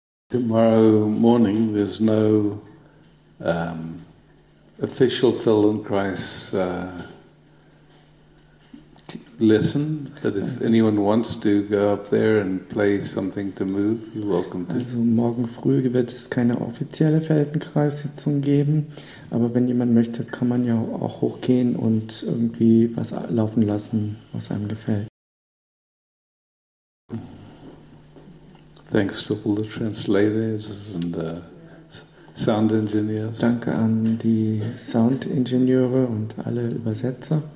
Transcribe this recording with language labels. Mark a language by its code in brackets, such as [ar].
[en] Tomorrow morning there's no official Feldenkrais lesson, but if anyone wants to go up there and play something to move, you're welcome to. [de] Also morgen früh wird es keine offizielle Feldenkrais-Sitzung geben, aber wenn jemand möchte, kann man ja auch hochgehen und irgendwie was laufen lassen, was einem gefällt. [en] Thanks to all the translators and the sound engineers. [de] Danke an die Sound-Ingenieure und alle Übersetzer.